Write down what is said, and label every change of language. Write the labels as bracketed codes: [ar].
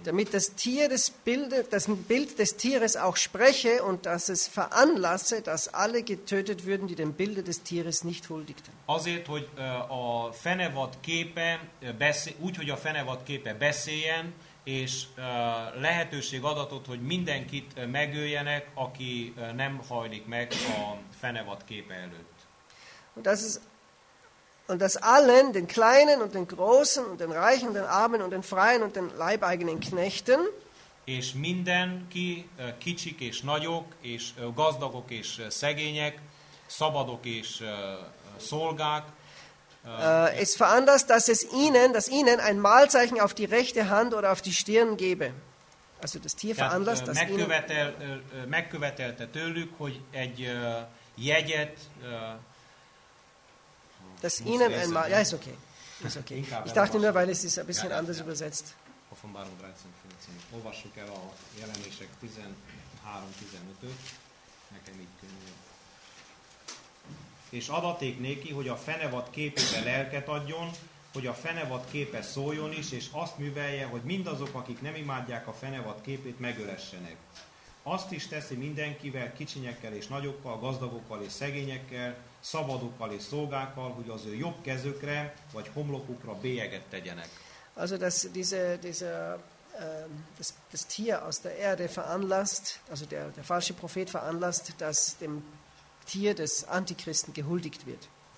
[de] Damit das Bild des Tieres auch spreche und dass es veranlasse, dass alle getötet würden, die dem Bilde des Tieres nicht huldigten. [hu] Azért, hogy a fenevad képe beszéljen, és lehetőség adatot, hogy mindenkit megöljenek, aki nem hajlik meg a fenevad képe előtt. [de] Und dass allen, den kleinen und den großen und den reichen und den armen und den freien und den leibeigenen Knechten, [hu] és mindenki, kicsik és nagyok, és gazdagok és szegények, szabadok és szolgák, [de] es veranlasst, dass ihnen ein Mahlzeichen auf die rechte Hand oder auf die Stirn gebe. Also das Tier veranlasst, dass ihnen [hu] megkövetelte tőlük, hogy egy jegyet [de] dass ihnen ein Mal, ja, ist okay. Ich dachte nur, weil es ist ein bisschen anders übersetzt. Offenbarung 13:15. [hu] Olvassuk el a jelenések 13:15-öt. Nekem így könnyű. És adaték néki, hogy a fenevad képébe lelket adjon, hogy a fenevad képe szóljon is, és azt művelje, hogy mindazok, akik nem imádják a fenevad képét, megölessenek. Azt is teszi mindenkivel, kicsinyekkel és nagyokkal, gazdagokkal és szegényekkel, szabadokkal és szolgákkal, hogy az ő jobb kezükre vagy homlokukra bélyeget tegyenek. [de] Also das Tier aus der Erde veranlasst, also der falsche Prophet veranlasst, dass dem Tier des Antichristen gehuldigt wird.